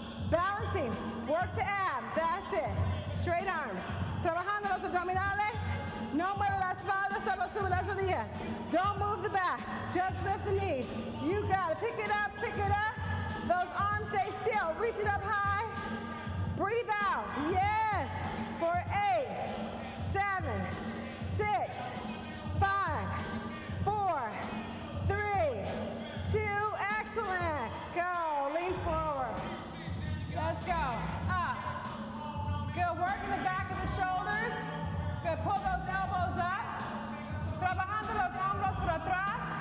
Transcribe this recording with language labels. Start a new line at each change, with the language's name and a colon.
English: Balancing, work the abs, that's it. Straight arms.
Spanish: Trabajando los abdominales. No mueve la espalda, solo sube las rodillas.
English: Don't move the back, just lift the knees. You got it, pick it up. Those arms stay still, reach it up high. Breathe out, yes. For 8, 7, 6, 5, 4, 3, 2, excellent. Go, lean forward. Let's go, up. Good work in the back of the shoulders. Good, pull those elbows up.
Spanish: Trabajando los hombros por atrás.